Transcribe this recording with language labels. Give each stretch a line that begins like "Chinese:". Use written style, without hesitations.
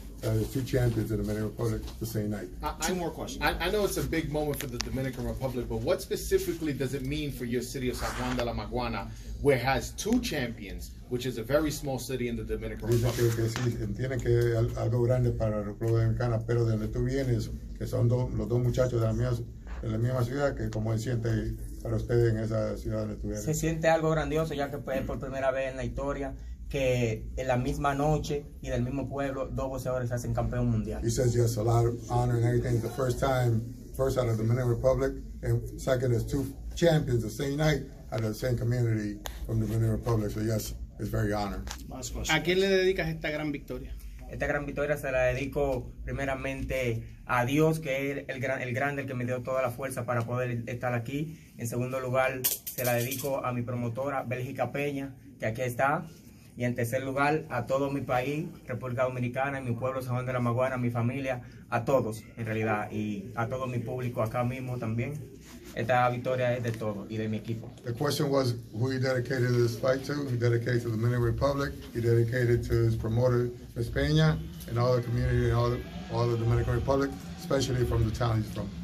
English: There's two champions in the Dominican Republic the same night. Two more questions. I know it's a big moment for the Dominican Republic, but what specifically does it mean for your city of San Juan de la Maguana, where it has two champions, which is a very small city in the Dominican Republic?
Spanish: Dice que sí, entienden que algo grande para la República Dominicana, pero de donde tú vienes, que son los dos muchachos de la misma ciudad, que como se siente para ustedes en esa ciudad donde estuvieron. Se siente algo grandioso, ya que fue por primera vez en la historia que en la misma noche y del mismo pueblo dos boxeadores se hacen campeón mundial.
English: He says yes, a lot of honor and everything. The first time, first out of the Dominican Republic, and second is two champions the same night out of the same community from the Dominican Republic. So yes, it's very honor.
Spanish: ¿A quién le dedicas esta gran victoria? Esta gran victoria se la dedico primeramente a Dios, que es el grande, el que me dio toda la fuerza para poder estar aquí. En segundo lugar, se la dedico a mi promotora, Bélgica Peña, que aquí está. Y en tercer lugar, a todo mi país, República Dominicana, y mi pueblo, San Juan de la Maguana, mi familia, a todos, en realidad, y a todo mi público acá mismo también. Esta victoria es de todo y de mi equipo.
English: The question was, who he dedicated this fight to? He dedicated to the Dominican Republic, he dedicated to his promoter, Ms. Peña, and all the community, and all the Dominican Republic, especially from the town he's from.